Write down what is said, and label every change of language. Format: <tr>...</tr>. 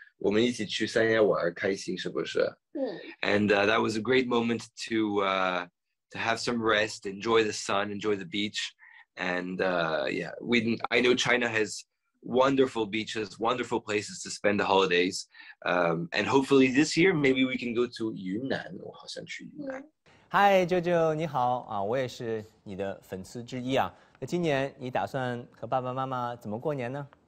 <zh>我们一起去三亚玩，开心是不是？</zh> <en>And that was a great moment to have some rest, enjoy the sun, enjoy the beach. And I know China has wonderful beaches, wonderful places to spend the holidays. And hopefully this year, maybe we can go to Yunnan.</en> <zh>我好想去云南。 Hi, Jojo, 你好，我也是你的粉丝之一啊。那今年你打算和爸爸妈妈怎么过年呢？</zh>